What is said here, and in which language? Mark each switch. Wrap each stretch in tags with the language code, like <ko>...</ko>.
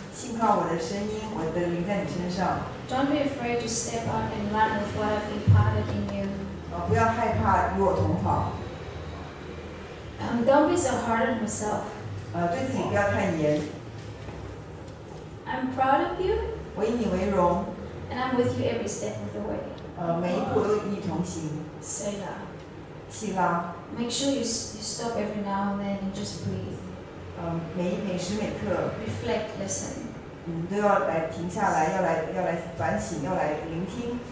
<zh>信靠我的声音, 我的灵在你身上。</zh> <en>Don't be afraid to step up and run with what I've imparted in you.</en> <zh>不要害怕与我同跑。</zh> <en>Don't be so hard on yourself.</en> <zh>对自己不要太严。</zh> <en>I'm proud of you.</en> <zh>我以你为荣。</zh> <en>And I'm with you every step of the way.</en> <zh>每一步都与你同行。</zh> <en>Say that.</en> <zh>希拉。</zh> <en>Make sure you stop every now and then and just breathe.</en> <zh>每时每刻。</zh> <en>Reflect, listen.</en> <zh>都要来停下来，要来反省，要来聆听。</zh>